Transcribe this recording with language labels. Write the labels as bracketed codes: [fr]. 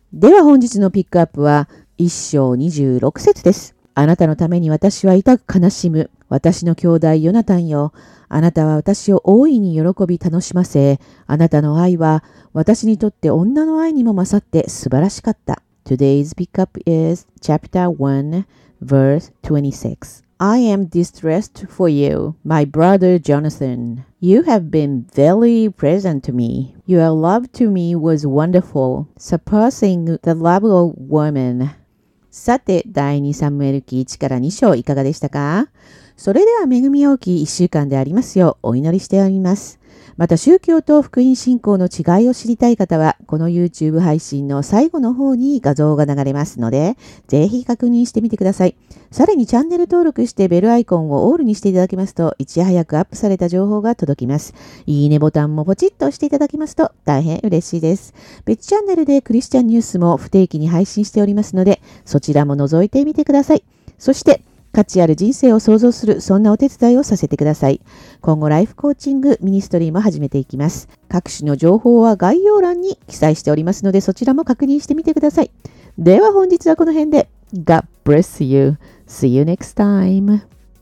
[ja] では本日のピックアップは、1章26節です。あなたのために私は痛く悲しむ。私の兄弟ヨナタンよ。あなたは私を大いに喜び楽しませ、あなたの愛は私にとって女の愛にも勝って素晴らしかった。 [en] Today's pickup is chapter 1, verse 26. I am distressed for you, my brother Jonathan. You have been very present to me. Your love to me was wonderful, surpassing the love of woman. [ja] さて、第2サムエル記1から2章いかがでしたか？それでは恵み大きい一週間でありますようお祈りしております。また宗教と福音信仰の違いを知りたい方は、この YouTube 配信の最後の方に画像が流れますので、ぜひ確認してみてください。さらにチャンネル登録してベルアイコンをオールにしていただけますと、いち早くアップされた情報が届きます。いいねボタンもポチッと押していただけますと大変嬉しいです。別チャンネルでクリスチャンニュースも不定期に配信しておりますので、そちらも覗いてみてください。そして、価値ある人生を創造する、そんなお手伝いをさせてください。今後、ライフコーチングミニストリーも始めていきます。各種の情報は概要欄に記載しておりますので、そちらも確認してみてください。では本日はこの辺で。 [en] God bless you. See you next time.